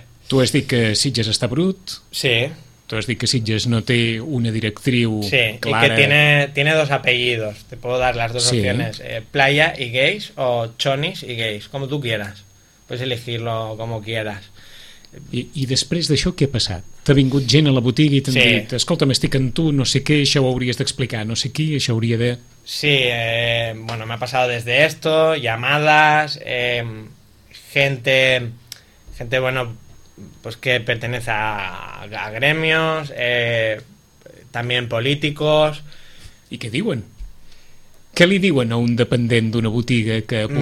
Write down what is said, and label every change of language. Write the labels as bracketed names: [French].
[Catalan] Tu has dit que Sitges està brut. Sí. Tu has dit que Sitges no té una directriu, sí, clara. [Spanish] Sí, i que tiene dos apellidos. Te puedo dar las dos, sí, opciones. Playa y Gays o Chonis y Gays, como tú quieras. Puedes elegirlo como quieras. [Catalan] I després d'això què ha passat? T'ha vingut gent a la botiga i t'han, sí, dit, escolta, m'estic en tu, no sé què, això ho hauries d'explicar, no sé qui, això hauria de... [Spanish] Sí, bueno, me ha pasado desde esto, llamadas, gente, bueno, pues que pertenece a gremios, también políticos... [Catalan] I què diuen? Què li diuen a un dependent d'una botiga que ha publicat,